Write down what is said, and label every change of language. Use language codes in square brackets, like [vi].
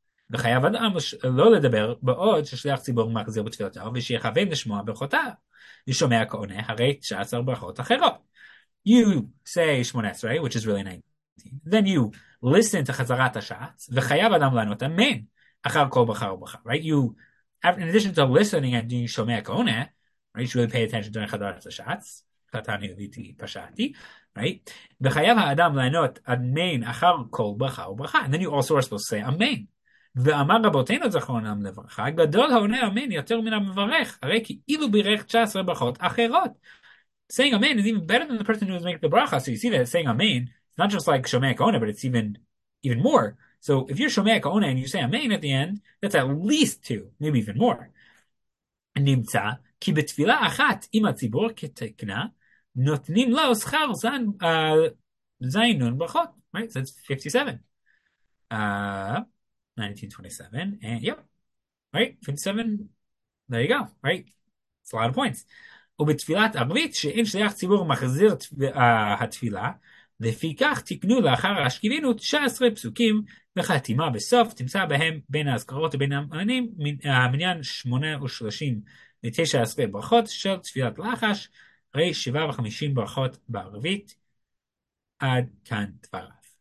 [he] וחייב אדם לא לדבר בעוד ששליח ציבור מחזיר בתפילתו ושיכוון לשמוע ברכותיו. לשומע כעונה הרי 19 ברכות אחרות. [en] You say 18, which is really 19. Then you listen to [he] חזרת השעץ וחייב אדם לענות אמן אחר כל ברכה וברכה. [en] Right? You, in addition to listening and you [he] שומע כעונה, [en] right? You should really pay attention during חזרת השעץ. [he] קטני וביתי פשעתי. Right? וחייב האדם לענות אמן אחר כל ברכה וברכה. [en] And then you also are supposed to say אמן. [he] ואמר רבותינו זכרונם לברכה, גדול העונה אמן יותר מן המברך, הרי כי אילו בירך 19 ברכות אחרות. [en] Saying amen is even better than the person who was making the bracha. So you see that saying amen, it's not just like shomei ka'one, but it's even more. So if you're shomei ka'one and you say amen at the end, that's at least two, maybe even more. [he] נמצא כי בתפילה אחת עם הציבור כתקנה, נותנים לו שכר זן, זין נון ברכות. [en] Right? So that's 57. 1927, and yep, right, 57, there you go, right? It's a lot of points. [he] ובתפילת ערבית שאין שליח ציבור מחזיר התפילה, לפיכך תקנו לאחר השכיבינו 19 פסוקים וחתימה בסוף, תמצא בהם בין ההזכרות ובין המנים, המניין 839 ברכות של תפילת לחש, הרי 57 ברכות בערבית, עד כאן דבריו.